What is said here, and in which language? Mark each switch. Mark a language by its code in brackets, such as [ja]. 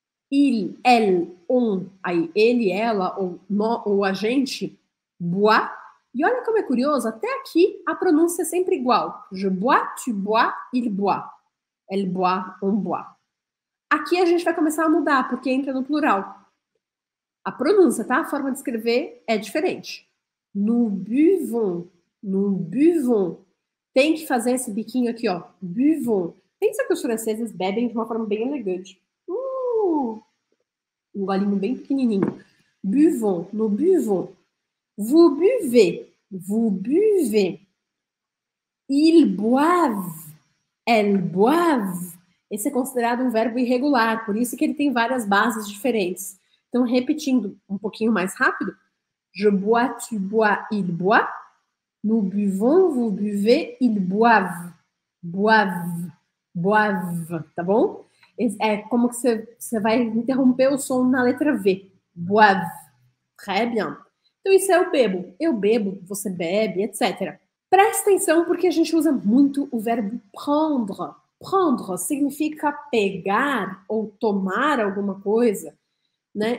[fr] Il, elle, on, [pt] aí ele, ela, ou, no, ou a gente, bois. E olha como é curioso, até aqui a pronúncia é sempre igual. [fr] Je bois, tu bois, il bois. Elle bois, on bois. [pt] Aqui a gente vai começar a mudar, porque entra no plural. A pronúncia, tá? A forma de escrever é diferente. [fr] Nous buvons, nous buvons. [pt] Tem que fazer esse biquinho aqui, ó. Buvons. Pensa que os franceses bebem de uma forma bem elegante. Um golinho bem pequenininho. [fr] Buvons, nous buvons. Vous buvez, vous buvez. Ils boivent, elles boivent. [pt] Esse é considerado um verbo irregular, por isso que ele tem várias bases diferentes. Então, repetindo um pouquinho mais rápido. [fr] Je bois, tu bois, il boit. Nous buvons, vous buvez, ils boivent. Boivent, boivent, tá bom? [pt] É como que você vai interromper o som na letra V. [fr] Boivent, très bien. [pt] Então, isso é o bebo. Eu bebo, você bebe, etc. Presta atenção, porque a gente usa muito o verbo prendre. Prendre significa pegar ou tomar alguma coisa. Né?